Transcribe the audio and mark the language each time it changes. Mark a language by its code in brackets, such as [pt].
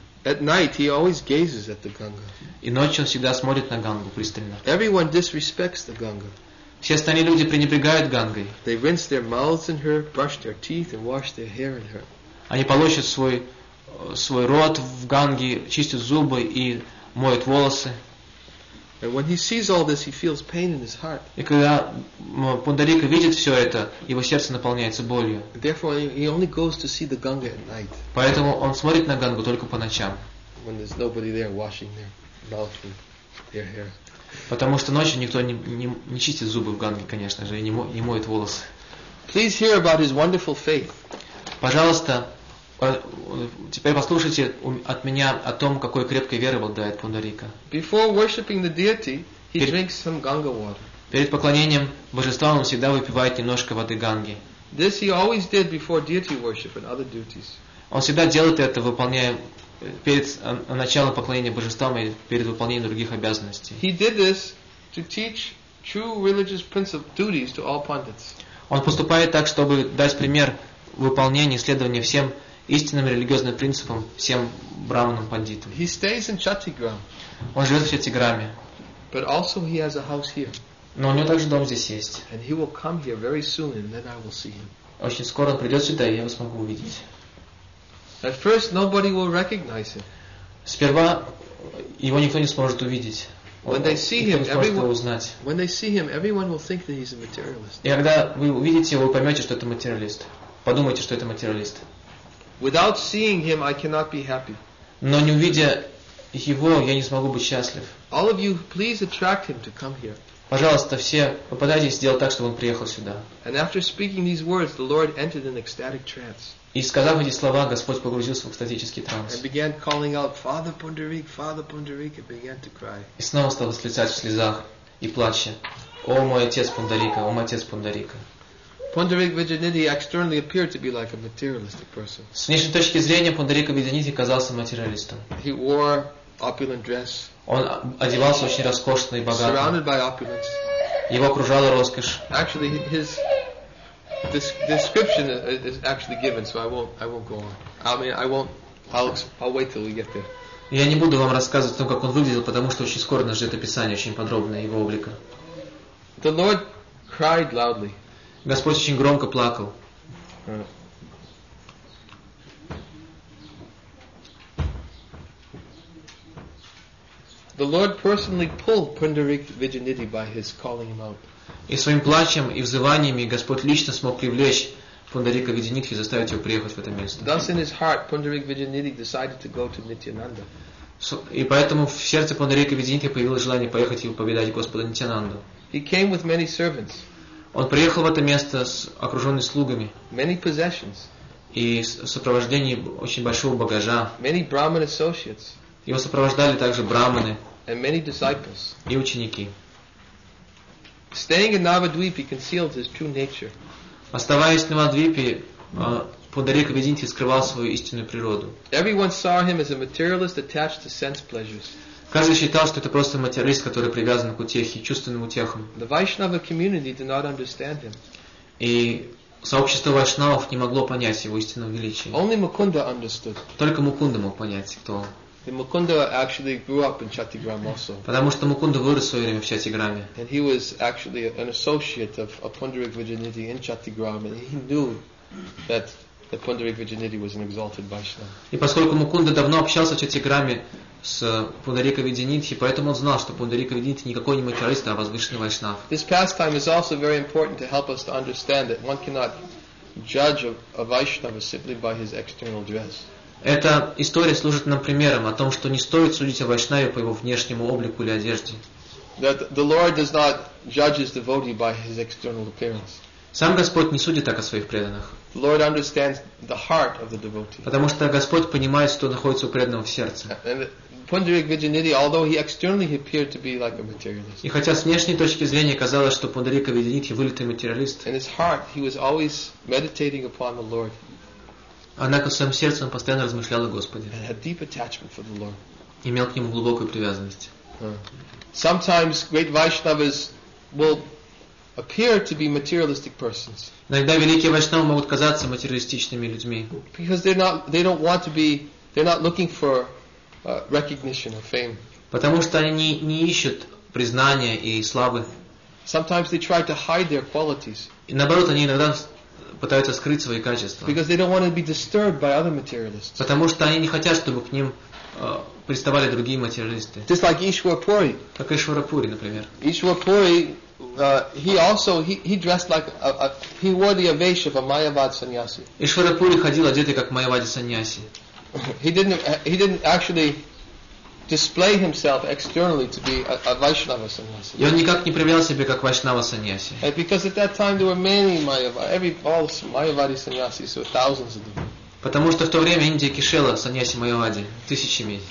[en] At night he always gazes at the Ganga. [ru] И ночью он всегда смотрит на Гангу пристально. [en] Everyone disrespects the Ganga. [ru] Все остальные люди пренебрегают Гангой. [en] They rinse their mouths in her, brush their teeth and wash their hair in her. [ru] Они полощут свой рот в Ганге, чистят зубы и моют волосы. [en] And when he sees all this, he feels pain in his heart. [ru] И когда Пундарика видит все это, его сердце наполняется болью. [en] Therefore, he only goes to see the Ganga at night. [ru] Поэтому он смотрит на Гангу только по ночам. [en] When there's nobody there washing their mouth and their hair. [ru] Потому что ночью никто не чистит зубы в Ганге, конечно же, и не моет волосы. [en] Please hear about his wonderful faith. [ru] Пожалуйста, теперь послушайте от меня о том, какой крепкой верой обладает Пундарика. [en] Before worshiping the deity, he drinks some Ganga water. [ru] Перед поклонением божества он всегда выпивает немножко воды Ганги. [en] This he always did before deity worship and other duties. [ru] Он всегда делает это, выполняя перед началом поклонения божествам и перед выполнением других обязанностей. [en] He did this to teach true religious principles duties to all pundits. [ru] Он поступает так, чтобы дать пример выполнения и следования всем истинным религиозным принципам, всем браманам пандитам. [en] He stays in Chattigram. [ru] Он живет в Чаттиграме. [en] But also he has a house here. [ru] Но у него также дом здесь есть. [en] And he will come here very soon, and then I will see him. [ru] Очень скоро он придет сюда, и я его смогу увидеть. [en] At first, nobody will recognize him. [ru] Сперва его никто не сможет увидеть. [en] When they see him, everyone [ru] узнать. [en] When they see him, everyone will think that he's a materialist. [ru] И когда вы увидите его, вы поймете, что это материалист. Подумайте, что это материалист. [en] Without seeing him, I cannot be happy. [ru] Но не увидя его, я не смогу быть счастлив. [en] All of you, please attract him to come here. [ru] Пожалуйста, все попытайтесь сделать так, чтобы он приехал сюда. [en] And after speaking these words, the Lord entered an ecstatic trance. [ru] И сказав эти слова, Господь погрузился в экстатический транс. [en] And began calling out, Father Pundarik, Father Pundarik, and began to cry. [ru] И снова стал восклицать в слезах и плача: О мой отец Пундарика, о мой отец Пундарика. [en] Pundarik Vidyaniti externally appeared to be like a materialistic person. [ru] С внешней точки зрения Пундарика Видьяниты казался материалистом. [en] He wore opulent dress. [ru] Он одевался очень роскошно и богато. [en] Surrounded by opulence. [ru] Его окружала роскошь. [en] Actually, his description is actually given, so I won't go on. I'll wait till we get there. [ru] Я не буду вам рассказывать о том, как он выглядел, потому что очень скоро нас ждет описание очень подробное его облика. [en] The Lord cried loudly. [ru] Господь очень громко плакал. [en] The Lord personally pulled Pundarik Vidyaniti by his calling him out. [ru] И своим плачем и взываниями Господь лично смог привлечь Пундарика Видьяниту и заставить его приехать в это место. [en] Thus in his heart, Pundarik Vidyaniti decided to go to Nityananda. [ru] И поэтому в сердце Пундарика Видьяниты появилось желание поехать и повидать Господа Нитьянанду. [en] He came with many servants. [ru] Он приехал в это место с окруженными слугами. [en] Many possessions. [ru] И в сопровождении очень большого багажа. [en] Many Brahman associates. [ru] Его сопровождали также браманы. [en] And many disciples. [ru] И ученики. [en] Staying in Navadvip, he concealed his true nature. [ru] Оставаясь в Навадвипе, Пундарика Видьяниты скрывал свою истинную природу. [en] Everyone saw him as a materialist attached to sense pleasures. [ru] Каждый считал, что это просто материалист, который привязан к утехе, чувственным утехам. [en] The Vaishnava community did not understand him. [ru] И сообщество вайшнавов не могло понять его истинного величия. [en] Only Mukunda understood. [ru] Только Мукунда мог понять, кто он. [en] The Mukunda actually grew up in Chattigram also. [ru] Потому что Мукунда вырос в свое время в Чаттиграме. [en] And he was actually an associate of Pundarik Vidyaniti in Chattigram, and he knew that Pundarik Vidyaniti was an exalted Vaishnava. [ru] И поскольку Мукунда давно общался в Чаттиграме с Пундарика Видьяниты, поэтому он знал, что Пундарика Видьяниты никакой не материалист, а возвышенный вайшнав. [en] This pastime is also very important to help us to understand that one cannot judge a Vaishnava simply by his external dress. [ru] Эта история служит нам примером о том, что не стоит судить о вайшнаве по его внешнему облику или одежде. [en] That the Lord does not judge his devotee by his external appearance. [ru] Сам Господь не судит так о своих преданных. [en] The Lord understands the heart of the devotee. [ru] Потому что Господь понимает, что находится у преданного в сердце. [en] And Pundarik Vidyaniti, although he externally appeared to be like a materialist. [ru] И хотя с внешней точки зрения казалось, что Пундарика Видьяниты вылитый материалист. [en] In his heart, he was always meditating upon the Lord. [ru] Однако в своем сердце он постоянно размышлял о Господе. [en] And had deep attachment for the Lord. [ru] Имел к нему глубокую привязанность. [en] Sometimes great Vaishnavas will appear to be materialistic persons. [ru] Иногда великие вайшнавы могут казаться материалистичными людьми. [en] Because they're not looking for recognition or fame. [ru] Потому что они не ищут признания и славы. [en] Sometimes they try to hide their qualities. [ru] И наоборот, они иногда пытаются скрыть свои качества. [en] Because they don't want to be disturbed by other materialists. [ru] Потому что они не хотят, чтобы к ним приставали другие материалисты. [en] Just like Ишварапури. [ru] Как Ишварапури, например. [en] Ишварапури, he dressed like he wore the avesh of a Mayavad sannyasi. [ru] Ишварапури ходил одетый как Майявади санньяси. [en] He didn't actually display himself externally to be a Vaishnava sannyasi. [ru] И он никак не проявлял себя как Вайшнава санньяси. [en] Because at that time there were many Mayavadi, every all Mayavadi sannyasi, so thousands of them. [ru] Потому что в то время Индия кишела саньяси Майявади тысячами.